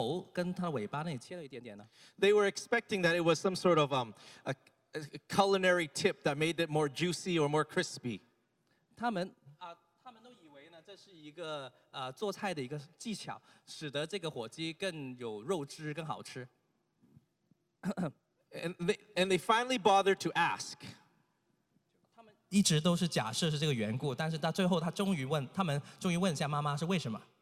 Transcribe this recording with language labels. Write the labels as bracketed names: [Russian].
[Chinese] 最后过了一段时间，那孙辈们就问妈妈说，诶，你怎么每一次都会在火鸡的手头跟它尾巴那里切了一点点呢？ [English] They were expecting that it was some sort of a culinary tip that made it more juicy or more crispy. [Chinese] 他们都以为呢，这是一个做菜的一个技巧，使得这个火鸡更有肉汁、更好吃。 [English] And they finally bothered to ask. [Chinese] 他们一直都是假设是这个缘故，但是到最后，他们终于问一下妈妈是为什么。